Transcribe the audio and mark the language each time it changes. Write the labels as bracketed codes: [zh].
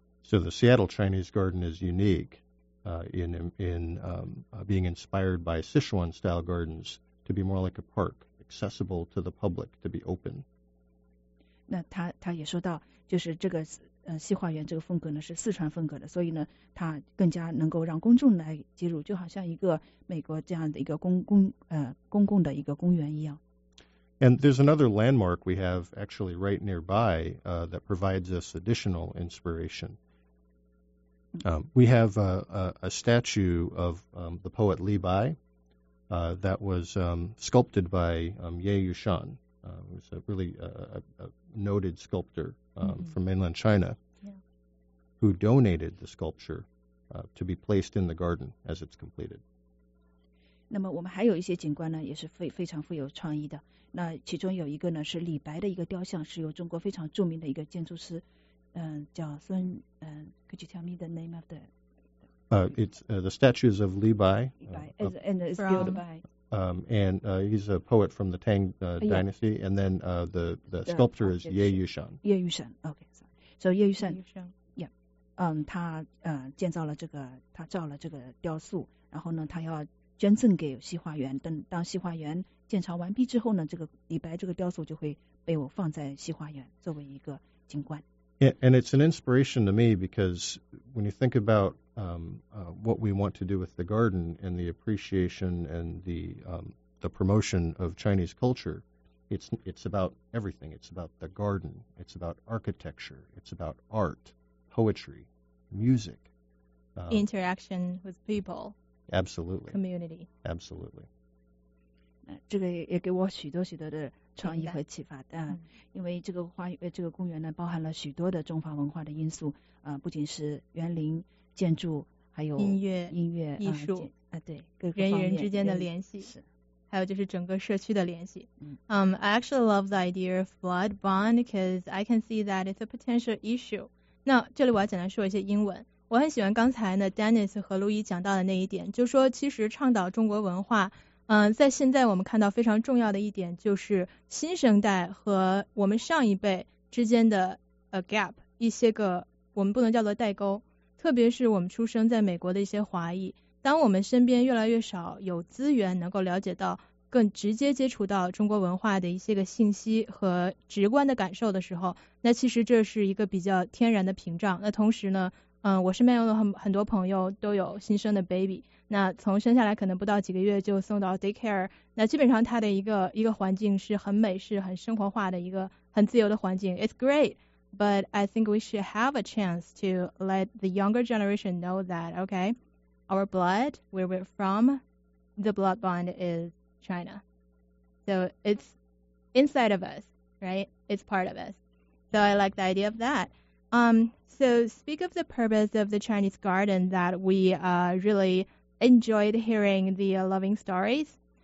[en] So the Seattle Chinese Garden is unique. Being inspired by Sichuan-style gardens to be more like a park, accessible to the public, to be open. [zh] 那他也说到，就是这个西花园这个风格呢是四川风格的，所以呢，它更加能够让公众来接入，就好像一个美国这样的一个公共的一个公园一样。 [en] And there's another landmark we have actually right nearby that provides us additional inspiration. We have a statue of the poet Li Bai that was sculpted by Ye Yushan, who's a really a noted sculptor from mainland China, who donated the sculpture to be placed in the garden as it's completed. [zh] 那么我们还有一些景观呢，也是非常富有创意的。那其中有一个呢是李白的一个雕像，是由中国非常著名的一个建筑师。 [en] Could you tell me the name of the? The statues of Li Bai. He's a poet from the Tang dynasty, and then the sculptor is Ye Yushan. Ye Yushan, okay. So Ye Yushan, he [zh] 造了这个雕塑，然后呢，他要捐赠给西花园。当西花园建成完毕之后呢，这个李白这个雕塑就会被我放在西花园作为一个景观。 [en] And it's an inspiration to me because when you think about what we want to do with the garden and the appreciation and the promotion of Chinese culture, it's about everything. It's about the garden. It's about architecture. It's about art, poetry, music. Interaction with people. Absolutely. Community. Absolutely. [zh] 这个也给我许多许多的创意和启发，但因为这个公园呢，包含了许多的中华文化的因素，不仅是园林建筑，还有音乐、艺术，人与人之间的联系，还有就是整个社区的联系。 [en] I actually love the idea of blood bond because I can see that it's a potential issue. [zh] 那这里我要简单说一些英文。我很喜欢刚才呢 ，Dennis 和路易讲到的那一点，就是说其实倡导中国文化。在现在我们看到非常重要的一点就是新生代和我们上一辈之间的 [en] a gap, [zh] 一些个我们不能叫做代沟，特别是我们出生在美国的一些华裔，当我们身边越来越少有资源能够了解到更直接接触到中国文化的一些个信息和直观的感受的时候，那其实这是一个比较天然的屏障。那同时呢，我身边有很多朋友都有新生的 baby, 那从生下来可能不到几个月就送到 daycare, 那基本上他的一个环境是很美式很生活化的一个很自由的环境。 [en] It's great, but I think we should have a chance to let the younger generation know that, okay, our blood, where we're from, the blood bond is China. So it's inside of us, right? It's part of us. So I like the idea of that. So speak of the purpose of the Chinese garden that we really enjoyed hearing the loving stories.